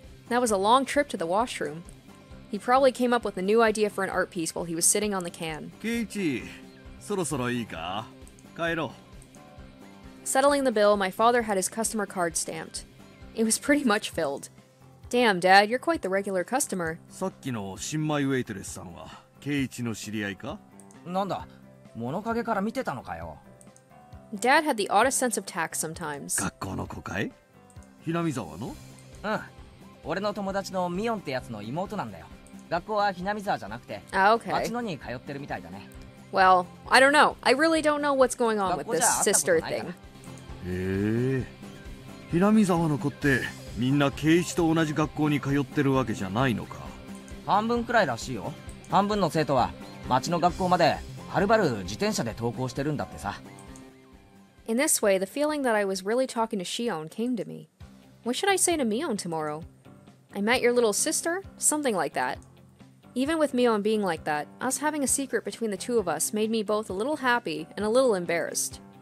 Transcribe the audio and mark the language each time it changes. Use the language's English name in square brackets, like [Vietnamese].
[English] That was a long trip to the washroom. He probably came up with a new idea for an art piece while he was sitting on the can. [Japanese] Keiichi, そろそろいいか?帰ろう。 [English] Settling the bill, my father had his customer card stamped. It was pretty much filled. Damn, Dad, you're quite the regular customer. [Japanese] さっきの新米ウェイトレスさんは、ケイチの知り合いか? なんだ、物陰から見てたのかよ。 [English] Dad had the oddest sense of tact sometimes. [Japanese] 学校の子かい?ひなみざわの? うん。俺の友達のミオンってやつの妹なんだよ。学校はひなみざわじゃなくて、町のに通ってるみたいだね。 [English] Well, I don't know. I really don't know what's going on with this sister thing. [Japanese] Hey, Hinamizawa no ko tte みんな圭一と同じ学校に通ってるわけじゃないのか。半分くらいらしいよ。半分の生徒は町の学校まではるばる自転車で登校してるんだってさ。 [English] In this way, the feeling that I was really talking to Shion came to me. What should I say to Mion tomorrow? I met your little sister? Something like that. Even with Mion being like that, us having a secret between the two of us made me both a little happy and a little embarrassed.